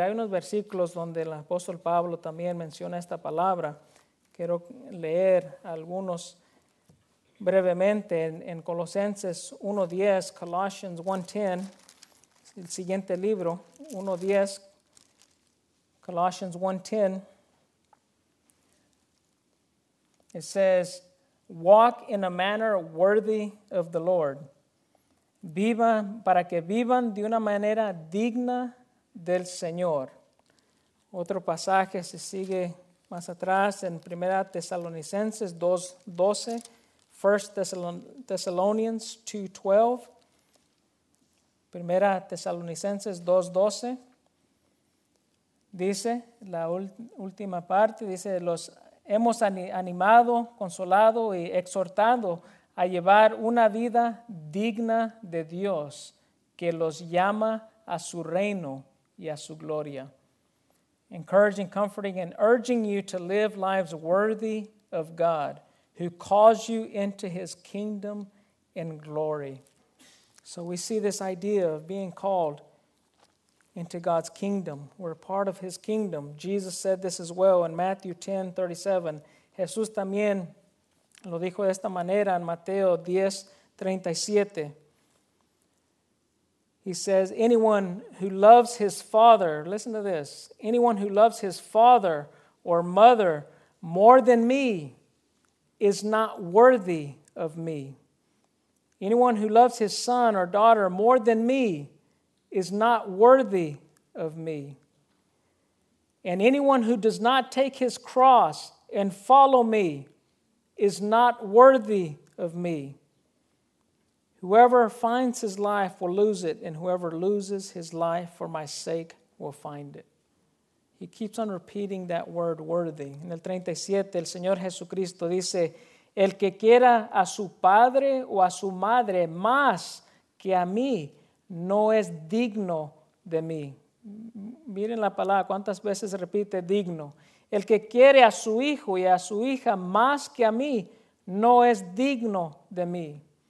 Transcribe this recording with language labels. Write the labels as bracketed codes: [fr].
[es] Hay unos versículos donde el apóstol Pablo también menciona esta palabra. Quiero leer algunos brevemente en Colosenses 1:10, Colossians 1:10, el siguiente libro, 1:10, Colossians 1:10. [en] It says, walk in a manner worthy of the Lord. [es] Viva, para que vivan de una manera digna del Señor. Otro pasaje se sigue más atrás en 1 Tesalonicenses 2:12, 1 Thessalonians 2:12. 1 Tesalonicenses 2:12 dice, la última parte, dice, los hemos animado, consolado y exhortado a llevar una vida digna de Dios que los llama a su reino y a su gloria. [en] Encouraging, comforting, and urging you to live lives worthy of God who calls you into his kingdom and glory. So we see this idea of being called into God's kingdom. We're part of his kingdom. Jesus said this as well in Matthew 10:37. [es] Jesús también lo dijo de esta manera en Mateo 10:37. [en] He says, anyone who loves his father, listen to this, anyone who loves his father or mother more than me is not worthy of me. Anyone who loves his son or daughter more than me is not worthy of me. And anyone who does not take his cross and follow me is not worthy of me. Whoever finds his life will lose it, and whoever loses his life for my sake will find it. He keeps on repeating that word, worthy. [es] En el 37, el Señor Jesucristo dice, el que quiera a su padre o a su madre más que a mí, no es digno de mí. Miren la palabra, cuántas veces repite digno. El que quiere a su hijo y a su hija más que a mí, no es digno de mí.